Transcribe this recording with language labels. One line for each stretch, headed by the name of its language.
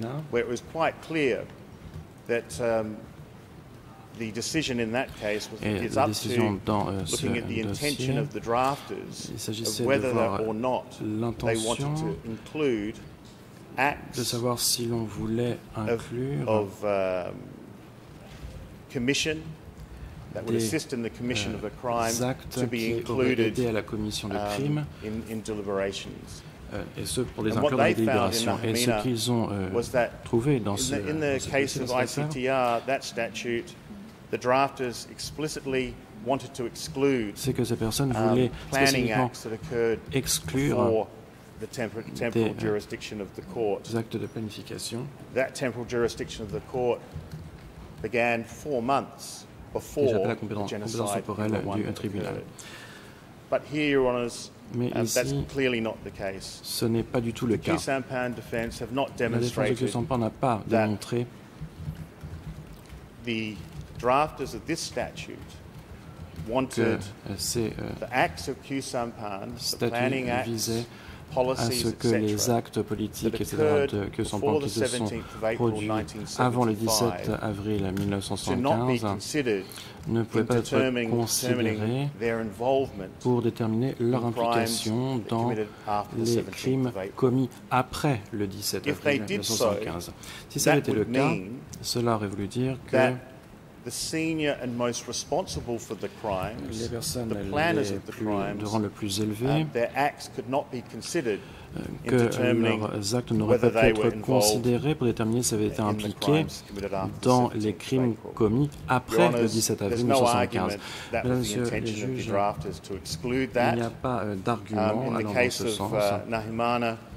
English: where it was quite clear that the decision in that case was up to looking at the intention of the drafters,
French: il s'agissait de voir l'intention de savoir si l'on voulait inclure
English: of commission that would assist in the commission of a crime to be included
French: à la commission de crime
English: in deliberations.
French: Et ce pour les inclure dans les délibérations. Et ce qu'ils ont trouvé dans ce
English: in the case of ICTR, that statute, the drafters explicitly wanted to exclude,
French: c'est que ces personnes voulaient spécifiquement exclure
English: the temporal jurisdiction of the court.
French: Des actes de planification.
English: That temporal jurisdiction of the court began 4 months before
French: la compétence temporelle du tribunal.
English: But here, Your Honours,
French: mais ici,
English: that's clearly not the case.
French: Ce n'est pas du tout le cas. La défense de Khieu Sampan n'a pas démontré
English: the drafters of this statute wanted the acts of Khieu Sampan, the planning acts,
French: à ce que les actes politiques, etc., de Khieu Sampan qui se sont produits avant le 17 avril 1975 ne pouvaient pas être considérés pour déterminer leur implication dans les crimes commis après le 17 avril 1975. Si ça avait été le cas, cela aurait voulu dire que
English: the senior and most responsible for the crimes, the planners of the crimes, their acts could not be considered
French: que leurs actes n'auraient pas pu être considérés pour déterminer s'ils avaient été impliqués dans les crimes commis après le 17 avril 1975. Mesdames et Messieurs les juges, il n'y a pas d'argument allant dans ce sens. Nahimana,